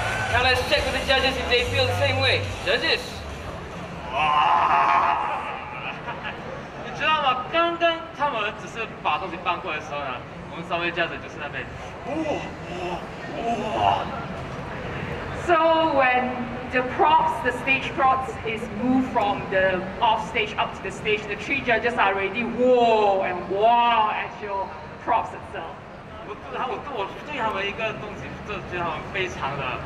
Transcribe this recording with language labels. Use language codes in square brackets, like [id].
[en] Now let's check with the judges if they feel the same way. Judges! Wow. [zh] 你知道吗,刚刚他们只是把东西搬过来的时候呢,我们三位judges就是那边... [en] So when the props, the stage props is moved from the off stage up to the stage, the three judges are already whoa and wow at your props itself. [zh] 我对他们一个东西,就觉得他们非常的...